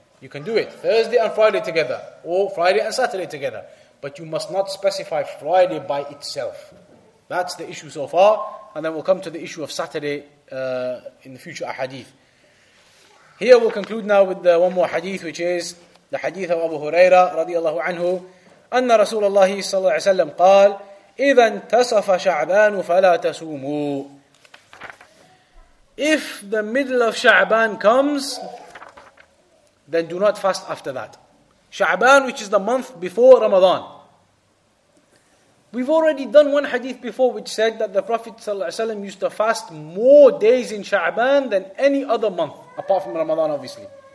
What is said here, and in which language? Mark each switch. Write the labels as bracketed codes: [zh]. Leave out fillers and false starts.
[en] You can do it Thursday and Friday together, or Friday and Saturday together. But you must not specify Friday by itself. That's the issue so far. And then we'll come to the issue of Saturday in the future ahadith. Here we'll conclude now with one more hadith, which is the hadith of Abu Huraira radiallahu anhu. [ar] أن رسول الله صلى الله عليه وسلم قال إذا انتصف شعبان فلا تسوموا. [en] If the middle of Sha'ban comes, then do not fast after that. Sha'ban, which is the month before Ramadan. We've already done one hadith before which said that the Prophet ﷺ used to fast more days in Sha'ban than any other month, apart from Ramadan, obviously.